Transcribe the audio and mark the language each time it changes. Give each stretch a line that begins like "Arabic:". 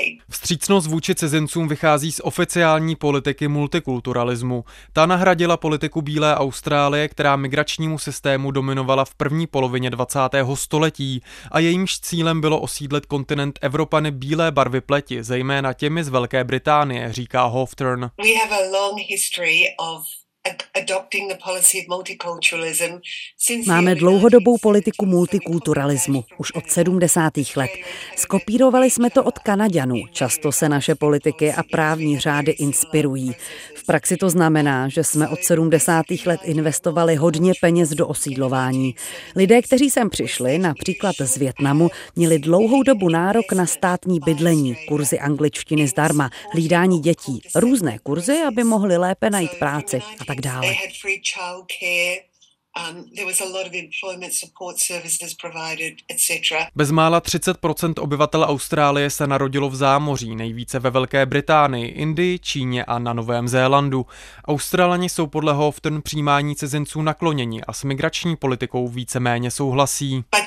Czech: Vstřícnost vůči cizincům vychází z oficiální politiky multikulturalismu. Ta nahradila politiku Bílé Austrálie, která migračnímu systému dominovala v první polovině 20. století a jejímž cílem bylo osídlit kontinent Evropany bílé barvy pleti, zejména těmi z Velké Británie, říká Hoftern.
English: We have a long history of adopting the policy of multiculturalism.
Czech: Máme dlouhodobou politiku multikulturalismu, už od 70. let. Skopírovali jsme to od Kanaďanů. Často se naše politiky a právní řády inspirují. V praxi to znamená, že jsme od 70. let investovali hodně peněz do osídlování. Lidé, kteří sem přišli, například z Vietnamu, měli dlouhou dobu nárok na státní bydlení, kurzy angličtiny zdarma, hlídání dětí, různé kurzy, aby mohli lépe najít práci a tak dále.
English: They had free childcare. There was a lot of employment support services provided, etc.
Czech: Bezmála 30% obyvatel Austrálie se narodilo v zámoří, nejvíce ve Velké Británii, Indii, Číně a na Novém Zélandu. Australani jsou podle Hoftern přijímání cizinců nakloněni a s migrační politikou víceméně souhlasí.